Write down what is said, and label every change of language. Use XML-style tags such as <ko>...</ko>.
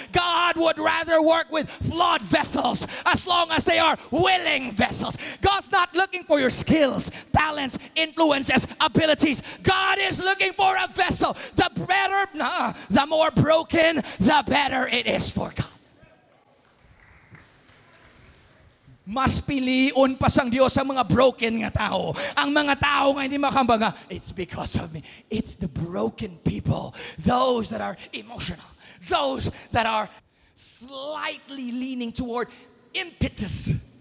<en>God would rather work with flawed vessels as long as they are willing vessels. God's not looking for your skills, talents, influences, abilities. God is looking for a vessel. The better, the more broken, the better it is for God.</en> <hil>Mas piliun pa sang Diyos ang mga broken nga tao. Ang mga tao nga hindi makambanga,</hil> <en>it's because of me. It's the broken people. Those that are emotional. Those that are slightly leaning toward impetus.</en>